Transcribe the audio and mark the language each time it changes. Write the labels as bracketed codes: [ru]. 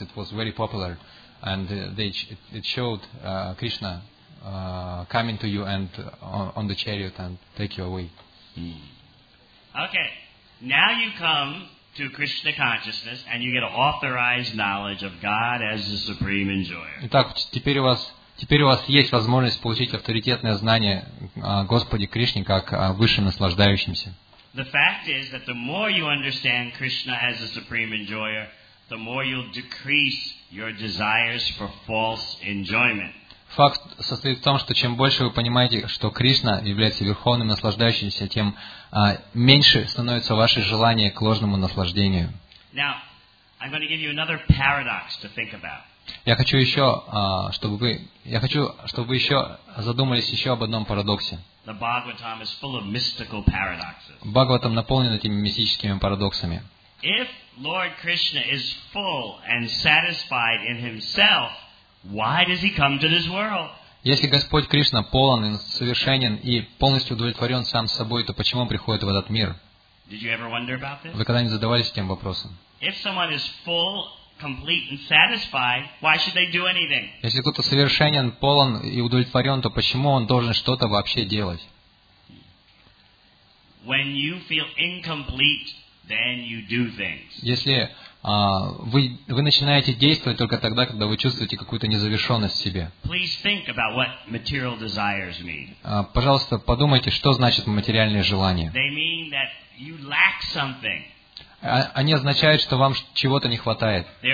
[en] It was very popular, and it showed Krishna coming to you and on the chariot and take you away. Okay, now you come to Krishna consciousness and you get authorized knowledge of God as the supreme enjoyer. [ru] Итак, теперь у вас есть возможность получить авторитетное знание о Господе Кришне как о высшем наслаждающемся. [en] The fact is that the more you understand Krishna as the supreme enjoyer, the more you'll decrease your desires for false enjoyment. [ru] Факт состоит в том, что чем больше вы понимаете, что Кришна является верховным наслаждающимся, тем меньше становится ваше желание к ложному наслаждению. [en] Now, I'm going to give you another paradox to think about. [ru] Я хочу, чтобы вы задумались еще об одном парадоксе. [en] The Bhagavatam is full of mystical paradoxes. [ru] Бхагаватам наполнен этими мистическими парадоксами. [en] If Lord Krishna is full and satisfied in himself, why does he come to this world? [ru] Если Господь Кришна полон и совершенен и полностью удовлетворен сам собой, то почему он приходит в этот мир? [en] Did you ever wonder about this? [ru] Вы когда-нибудь задавались этим вопросом? [en] If someone is full, complete and satisfied, why should they do anything? [ru] Если кто-то совершенен, полон и удовлетворен, то почему он должен что-то вообще делать? [en] When you feel incomplete, then you do things. [ru] Если вы начинаете действовать только тогда, когда вы чувствуете какую-то незавершенность в себе. [en] Please think about what material desires mean. [ru] Пожалуйста, подумайте, что значит материальные желания. [en] They mean that you lack something. [ru] Они означают, что вам чего-то не хватает.